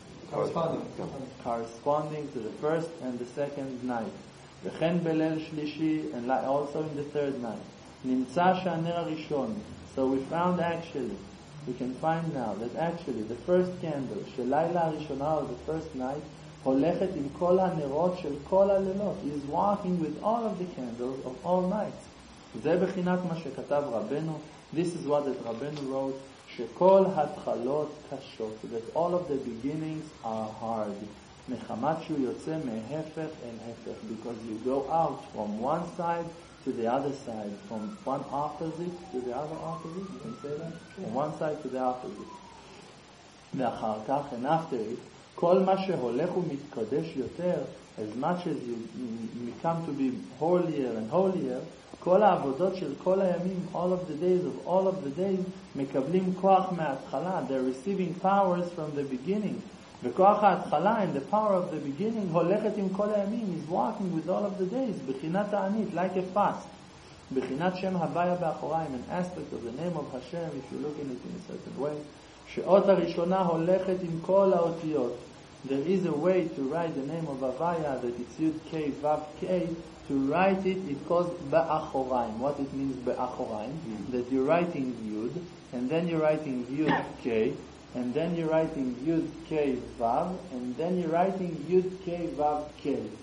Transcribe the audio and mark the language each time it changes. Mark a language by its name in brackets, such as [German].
[English] Corresponding to the first and the second night. [Hebrew] V'chen belel shlishi, [English] and also in the third night. [Hebrew] נמצא שהנר הראשון, [English] so we found actually, we can find now, that actually the first candle, [Hebrew] שלילה הראשונה, [English] or the first night, [Hebrew] הולכת עם כל הנרות של כל הלילות. [English] He is walking with all of the candles of all nights. [Hebrew] זה בחינת מה שכתב רבנו. [English] This is what that רבנו wrote, [Hebrew] שכל התחלות קשות, [English] that all of the beginnings are hard. [Hebrew] מחמת שהוא יוצא מהפך אל הפך, [English] because you go out from one side to the other side, from one opposite to the other opposite, you can say that? From one side to the opposite. [Hebrew] ואחר כך, [English] and after it, [Hebrew] כל מה שהולך ומתקדש יותר, [English] as much as you become to be holier and holier, [Hebrew] כל העבודות של כל הימים, [English] all of the days of all of the days, [Hebrew] מקבלים כוח מההתחלה. [English] They're receiving powers from the beginning. [Hebrew] וכוח ההתחלה, [English] and the power of the beginning, [Hebrew] הולכת עם כל הימים, [English] is walking with all of the days, [Hebrew] בחינת הענית, [English] like a fast. [Hebrew] בחינת שם הוויה באחוריים, [English] an aspect of the name of Hashem, if you look in it in a certain way. [Hebrew] שאות הראשונה הולכת עם כל האותיות. [English] There is a way to write the name of Avaya, that it's Yud Kei Vav Kei, to write it, it calls Ba'achoraim. What it means Ba'achoraim? That you're writing Yud, and then you're writing Yud Kei, and then you're writing Yud Kei Vav, and then you're writing Yud Kei Vav Kei.